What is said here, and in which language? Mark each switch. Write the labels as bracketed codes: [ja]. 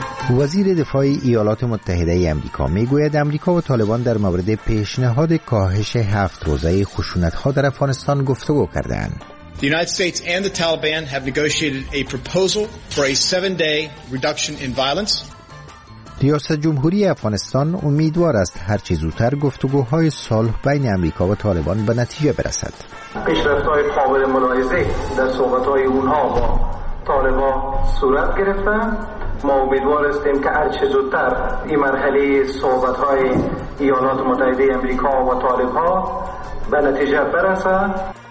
[fa] وزیر دفاع ایالات متحده ای امریکا میگوید امریکا و طالبان در مورد پیشنهاد کاهش 7 روزه خشونت ها در افغانستان گفتگو کردند. [en] The United States and the Taliban have negotiated a proposal for a 7-day reduction in violence. [fa] ریاست جمهوری افغانستان امیدوار است هر چه زودتر گفتگوهای صلح بین امریکا و طالبان به نتیجه برسد. پیشرفت‌های قابل ملاحظه در صحبت‌های اونها با طالبان صورت گرفته. ما امیدوار هستیم که هر چه زودتر این مرحله صحبت های ایالات متحده امریکا و طالب ها به نتیجه برسد.